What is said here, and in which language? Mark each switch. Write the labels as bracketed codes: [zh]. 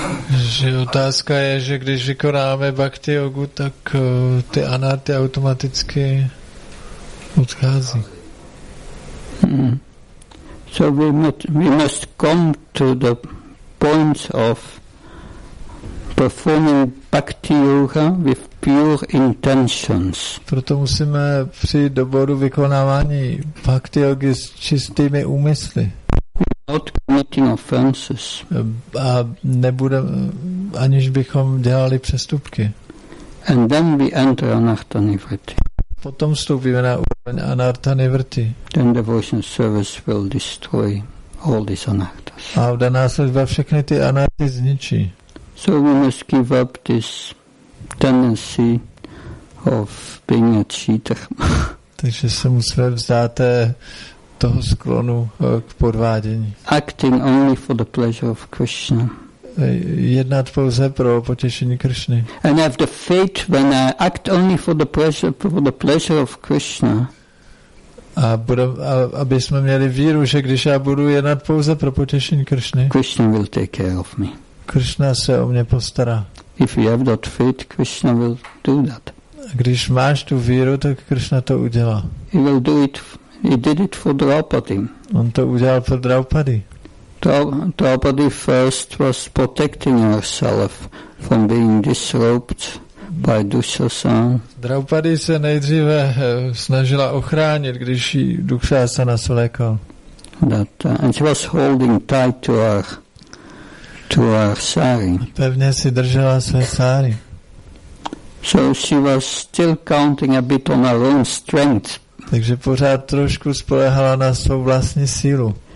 [cs] Že otázka je, že když vykonáme bhakti jogu, tak ty anarty automaticky odchází. [en] So we must come to the point of performing bhakti yoga with pure intentions. [cs] Proto musíme přijít do bodu vykonávání bhakti yogi s čistými úmysly. [en] Not committing offenses. [cs] A nebude, aniž bychom dělali přestupky. [en] And then we enter anartha nivrti. [cs] Potom vstoupíme na úroveň anartha nivrti. [en] Then devotional service will destroy. all these anarthas. [cs] A vdaná služba všechny ty anarthy zničí. [en] So we must give up this tendency of being a cheater. [cs] Takže se musíme vzdát toho sklonu k podvádění. [en] Acting only for the pleasure of Krishna. [cs] Jednat pouze pro potěšení Krishny. [en] And have the faith when I act only for the pleasure of Krishna. [cs] Aby jsme měli víru, že když já budu jednat pouze pro potěšení Krishny, [en] Krishna will take care of me. [cs] Krishna se o mě postará. [en] If you have that faith, Krishna will do that. [cs] Když máš tu víru, tak Krishna to udělá. [en] He will do it. He did it for Draupadi. [cs] On to udělal pro Draupadi. [en] Draupadi first was protecting herself from being disrupted by Dushasana. [cs] Draupadi se nejdříve snažila ochránit, když ji Dushasana svlékal. [en] And she was holding tight to her sari. [cs] Pevně si držela své sari. [en] So she was still counting a bit on her own strength. [cs] Takže pořád trošku spolehala na svou vlastní sílu.